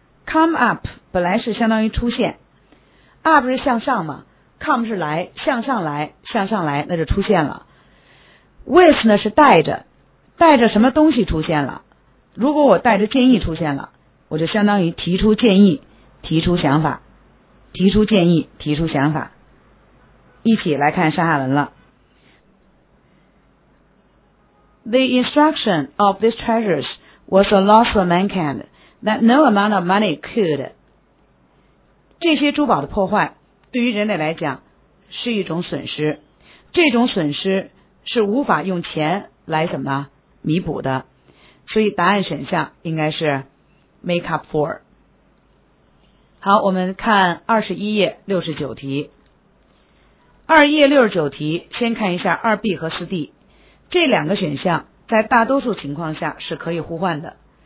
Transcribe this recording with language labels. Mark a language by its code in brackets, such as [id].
[en] come up [zh] 本来是相当于出现， up 是向上嘛， come 是来，向上来，向上来，那就出现了。 with 呢是带着，带着什么东西出现了，如果我带着建议出现了，我就相当于提出建议，提出想法，提出建议，提出想法。一起来看上下文了。 [en] The instruction of these treasures was a loss for mankind that no amount of money could. [zh] 这些珠宝的破坏对于人类来讲是一种损失，这种损失是无法用钱来怎么弥补的，所以答案选项应该是 [en] make up for。 [zh] 好，我们看21页69题。2页69题，先看一下 2B 和 4D，这两个选项在大多数情况下是可以互换的。